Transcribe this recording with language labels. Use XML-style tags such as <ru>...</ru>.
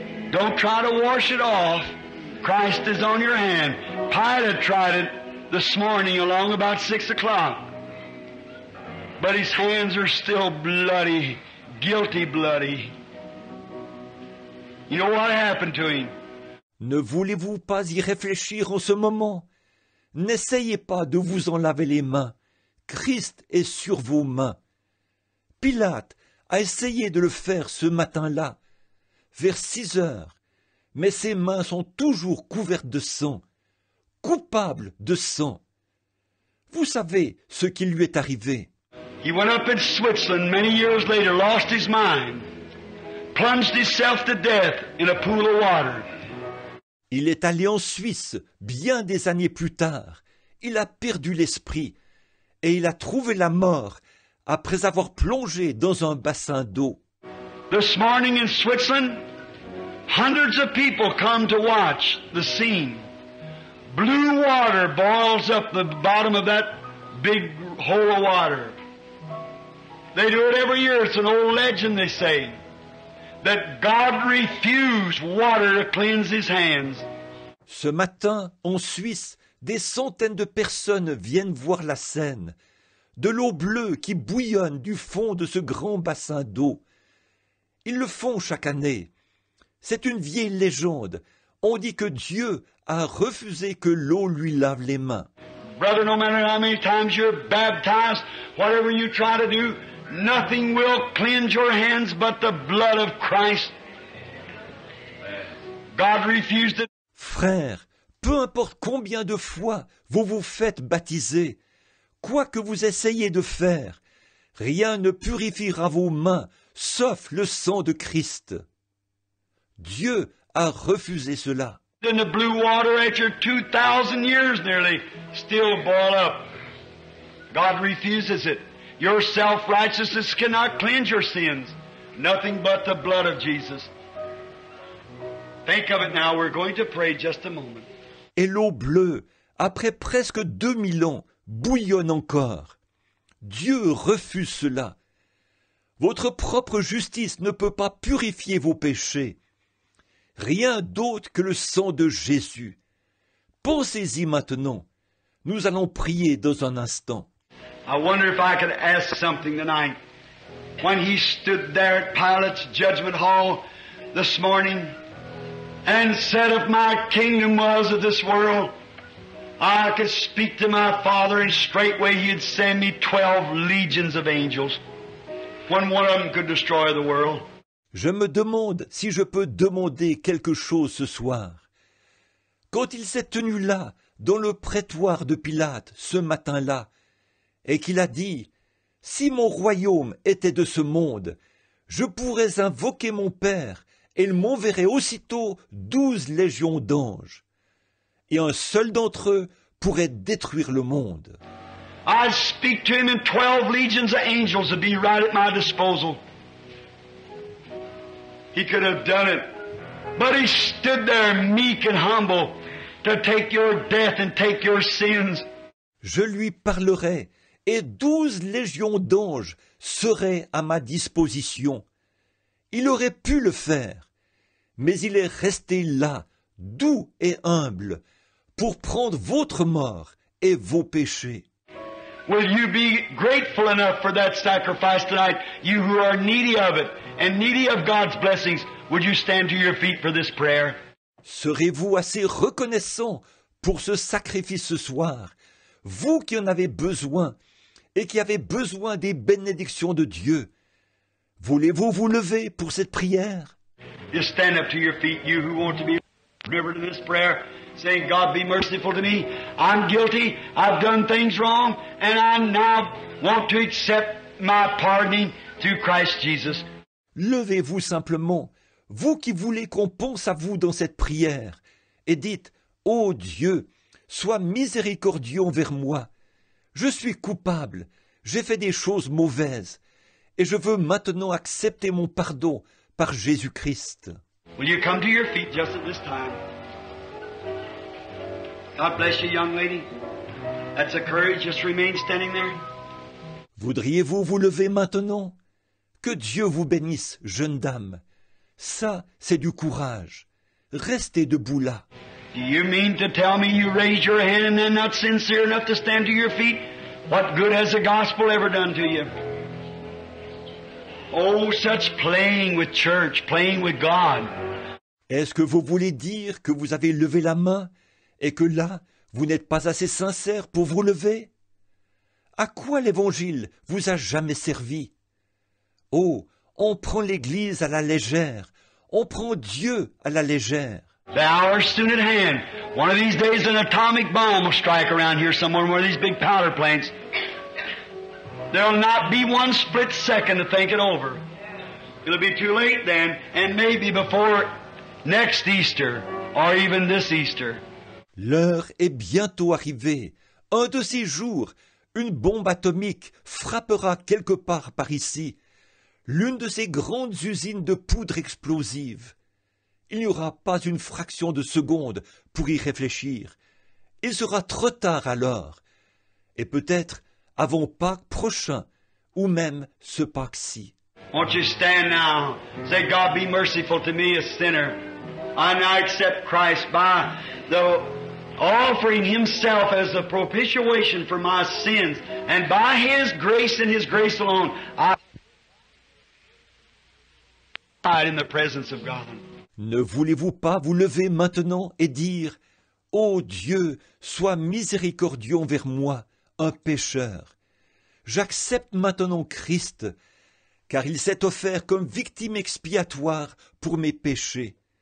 <en>Don't try to wash it off. Christ is on your hand. Pilate tried it this morning along about 6 o'clock. But his hands are still bloody, guilty bloody. You know what happened to him?</en> <fr>Ne voulez-vous pas y réfléchir en ce moment? N'essayez pas de vous en laver les mains. Christ est sur vos mains. Pilate a essayé de le faire ce matin-là, vers 6 heures, mais ses mains sont toujours couvertes de sang, coupables de sang. Vous savez ce qui lui est arrivé.</fr> <en>He went up in Switzerland many years later, lost his mind, plunged himself to death in a pool of water.</en> <fr>Il est allé en Suisse bien des années plus tard. Il a perdu l'esprit et il a trouvé la mort après avoir plongé dans un bassin d'eau.</fr> <en>This morning in Switzerland, hundreds of people come to watch the scene. Blue water boils up the bottom of that big hole of water. They do it every year. It's an old legend, they say, that God refused water to cleanse his hands.</en> <fr>Ce matin, en Suisse, des centaines de personnes viennent voir la scène. De l'eau bleue qui bouillonne du fond de ce grand bassin d'eau. Ils le font chaque année. C'est une vieille légende. On dit que Dieu a refusé que l'eau lui lave les mains.</fr> <en>Brother, no matter how many times you're baptized, whatever you try to do, nothing will cleanse your hands but the blood of Christ. God refused it.</en> <fr>Frère, peu importe combien de fois vous vous faites baptiser, quoi que vous essayiez de faire, rien ne purifiera vos mains sauf le sang de Christ. Dieu a refusé cela.</fr> <en>In the blue water after 2,000 years nearly still boil up. God refuses it. Your self-righteousness cannot cleanse your sins. Nothing but the blood of Jesus. Think of it now. We're going to pray just a moment.</en> <fr>Et l'eau bleue, après presque 2000 ans, bouillonne encore. Dieu refuse cela. Votre propre justice ne peut pas purifier vos péchés. Rien d'autre que le sang de Jésus. Pensez-y maintenant. Nous allons prier dans un instant.</fr> <en>I wonder if I could ask something tonight. When he stood there at Pilate's judgment hall this morning and said, if my kingdom was of this world, I could speak to my Father and straightway he'd send me 12 legions of angels when one of them could destroy the world.</en> <fr>Je me demande si je peux demander quelque chose ce soir. Quand il s'est tenu là, dans le prétoire de Pilate, ce matin-là, et qu'il a dit, « Si mon royaume était de ce monde, je pourrais invoquer mon Père, et il m'enverrait aussitôt 12 légions d'anges, et un seul d'entre eux pourrait détruire le monde. »</fr> <en>I speak to him in 12 legions of angels to be right at my disposal. He could have done it, but he stood there meek and humble to take your death and take your sins.</en> <fr>Je lui parlerai et 12 légions d'anges seraient à ma disposition. Il aurait pu le faire, mais il est resté là, doux et humble, pour prendre votre mort et vos péchés.</fr> <en>Will you be grateful enough for that sacrifice tonight, you who are needy of it and needy of God's blessings? Would you stand to your feet for this prayer?</en> <fr>Serez-vous assez reconnaissant pour ce sacrifice ce soir, vous qui en avez besoin et qui avez besoin des bénédictions de Dieu? Voulez-vous vous lever pour cette prière?</fr> <en>Just stand up to your feet, you who want to be delivered in this prayer. Saying, God, be merciful to me. I'm guilty. I've done things wrong. And I now want to accept my pardoning through Christ Jesus.</en> <fr>Levez-vous simplement, vous qui voulez qu'on pense à vous dans cette prière, et dites, ô Dieu, sois miséricordieux envers moi. Je suis coupable. J'ai fait des choses mauvaises. Et je veux maintenant accepter mon pardon par Jésus-Christ.</fr> <en>Will you come to your feet just at this time? God bless you, young lady. That's a courage. Just remain standing there.</en> <fr>Voudriez-vous vous lever maintenant? Que Dieu vous bénisse, jeune dame. Ça, c'est du courage. Restez debout là.</fr> <en>Do you mean to tell me you raise your head and then not sincere enough to stand to your feet? What good has the gospel ever done to you? Oh, such playing with church, playing with God.</en> <fr>Est-ce que vous voulez dire que vous avez levé la main et que là, vous n'êtes pas assez sincère pour vous lever? À quoi l'Évangile vous a jamais servi? Oh, on prend l'Église à la légère. On prend Dieu à la légère.</fr> <en>The hour is soon at hand. One of these days an atomic bomb will strike around here somewhere in one of these big powder plants. There will not be one split second to think it over. It will be too late then, and maybe before next Easter, or even this Easter.</en> <fr>L'heure est bientôt arrivée. Un de ces jours, une bombe atomique frappera quelque part par ici. L'une de ces grandes usines de poudre explosive. Il n'y aura pas une fraction de seconde pour y réfléchir. Il sera trop tard alors. Et peut-être avant Pâques prochain, ou même ce Pâques-ci.</fr> <en>Won't you stand now? Say, God be merciful to me, a sinner. I now accept Christ by the offering himself as the propitiation for my sins. And by his grace and his grace alone, I hide in the presence of God.</en> <fr>Ne voulez-vous pas vous lever maintenant et dire, ô Dieu, sois miséricordieux envers moi, un pécheur. J'accepte maintenant Christ, car il s'est offert comme victime expiatoire pour mes péchés.</fr>